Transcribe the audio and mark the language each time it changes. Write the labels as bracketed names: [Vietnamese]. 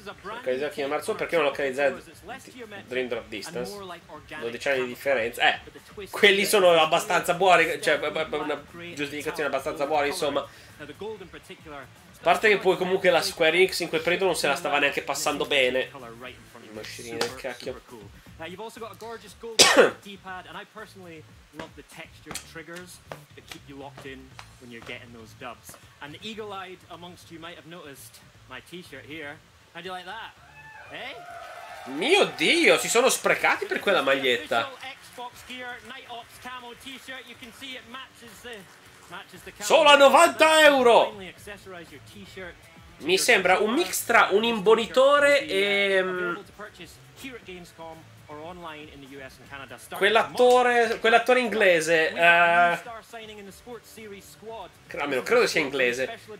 [Italian] Localizzato King of Hearts 2, perché non localizzare Dream Drop Distance? 12 anni di differenza. Quelli sono abbastanza buoni, cioè una giustificazione abbastanza buona, insomma. A parte che poi comunque la Square Enix in quel periodo non se la stava neanche passando bene. Mascherine del cacchio. [English] Now you've also got a gorgeous gold D-pad, and I personally love the textured triggers that keep you locked in when you're getting those dubs. And the eagle-eyed amongst you might have noticed my t-shirt here. How do you like that? Eh? [Italian] Mio Dio, si sono sprecati per quella maglietta. Xbox Gear Night Ops camo t-shirt, [English] you can see it matches the camo. [Italian] Solo a 90 euro! [English] Finally accessorize your t-shirt. [Italian] Mi sembra un mix tra un imbonitore e quell'attore inglese, almeno credo sia inglese.